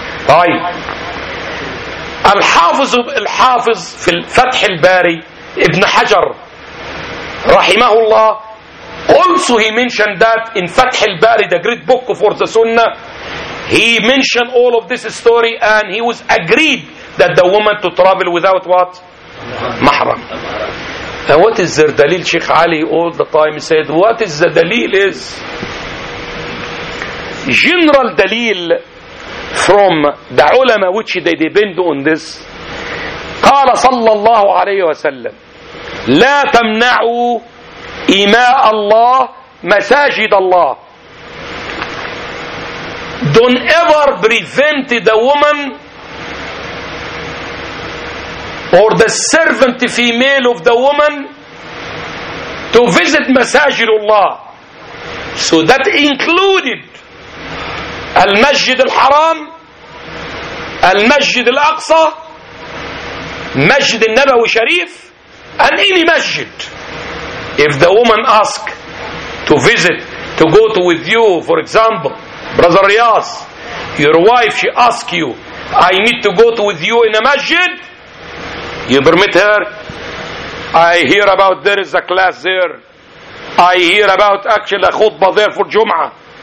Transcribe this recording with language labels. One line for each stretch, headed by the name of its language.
English: Hi. Al-Hafiz fil Fath al-Bari, Ibn Hajar, Rahimahullah, also he mentioned that in Fath al-Bari, the great book for the Sunnah, He mentioned all of this story and he was agreed that the woman to travel without what? Mahram. And what is their dalil? Sheikh Ali all the time said, what is the dalil is? General dalil from the ulama which they depend on this.
Arabic: قال صلى الله عليه وسلم لا تمنعوا إماء الله مساجد الله.
English: Don't ever prevent the woman or the servant female of the woman to visit
Arabic: مساجد الله.
English: So that included المسجد الحرام, المسجد الأقصى, مسجد النبوي الشريف, and any masjid. If the woman asks to visit, to go to with you, for example, Brother Riaz, your wife, she asks you, I need to go to with you in a masjid, you permit her. I hear about there is a class there. I hear about actually a khutbah there for Jum'ah.